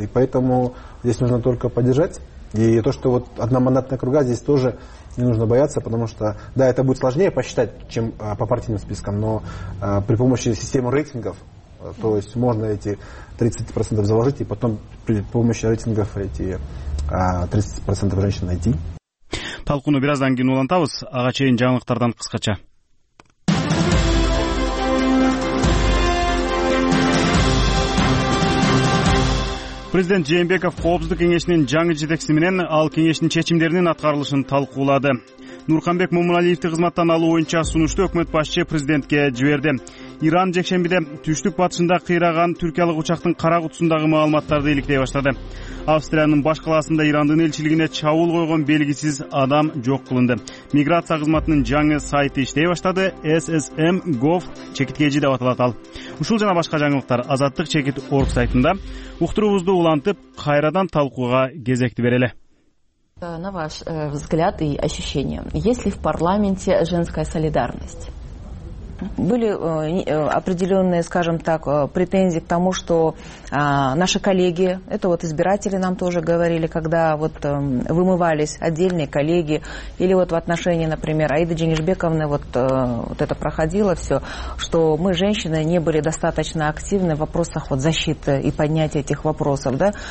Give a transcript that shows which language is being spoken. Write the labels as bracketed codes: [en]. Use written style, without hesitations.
[ru] И поэтому здесь нужно только поддержать. И то, что вот одномандатная округа, здесь тоже не нужно бояться, потому что, да, это будет сложнее посчитать, чем по партийным спискам, но при помощи системы рейтингов То есть можно эти 30% заложить и потом при помощи рейтингов эти 30% женщин найти. [ky] Талкууну бираздан кийин улантабыз. Ага чейин жаңылыктардан кыскача. Президент Жээнбеков коопсуздук кеңешинин жаңы жетекчиси менен ал кеңештин чечимдеринин аткарылышын талкуулады. Нурканбек Момуналиевди кызматтан алуу боюнча сунушту өкмөт башчы президентке жиберди. Иран жекшембиде түштүк батышында кыйраган түркиялык учактын кара кутусундагы маалыматтарды иликтей баштады. Австриянын баш калаасында Ирандын элчилигине чабуул койгон белгисиз адам жок кылынды. Миграция кызматынын жаңы сайты иштей баштады. SSM.gov чекиткежи деп аталат ал. Ушул жана башка жаңылыктар Азаттык чекит орг сайтында. Уктуруубузду улантып, кайрадан талкууга кезекти берели. [ru] На ваш взгляд и ощущение, есть ли в парламенте женская солидарность? Были определенные, скажем так, претензии к тому, что наши коллеги, это вот избиратели нам тоже говорили, когда вот вымывались отдельные коллеги, или вот в отношении, например, Аиды Джанишбековны, вот это проходило все, что мы, женщины, не были достаточно активны в вопросах вот защиты и поднятия этих вопросов, да.